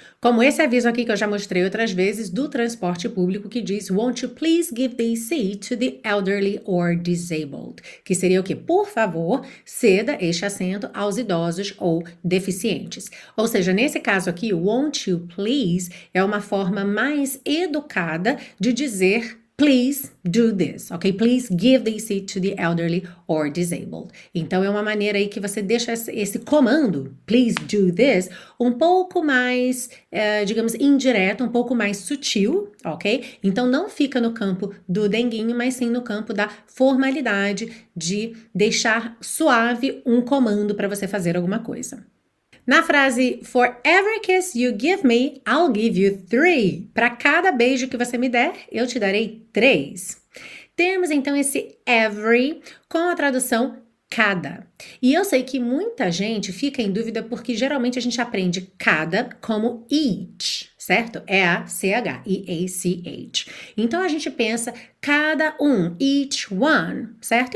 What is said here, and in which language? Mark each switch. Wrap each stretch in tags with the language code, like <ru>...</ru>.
<pt>Como esse aviso aqui que eu já mostrei outras vezes do transporte público que diz</pt> <en>Won't you please give this seat to the elderly or disabled?</en> <pt>Que seria o quê? Por favor, ceda este assento aos idosos ou deficientes. Ou seja, nesse caso aqui,</pt> <en>Won't you please</en> <pt>é uma forma mais educada de dizer</pt> <en>Please do this,</en> <pt>ok?</pt> <en>Please give this seat to the elderly or disabled.</en> <pt>Então, é uma maneira aí que você deixa esse comando,</pt> <en>please do this,</en> <pt>um pouco mais, digamos, indireto, um pouco mais sutil, ok? Então, não fica no campo do denguinho, mas sim no campo da formalidade de deixar suave um comando para você fazer alguma coisa. Na frase</pt> <en>"For every kiss you give me, I'll give you three."</en> <pt>Para cada beijo que você me der, eu te darei três. Temos então esse every com a tradução cada. E eu sei que muita gente fica em dúvida porque geralmente a gente aprende cada como each, certo? É a CH, EACH. Então a gente pensa cada um, each one, certo?</pt>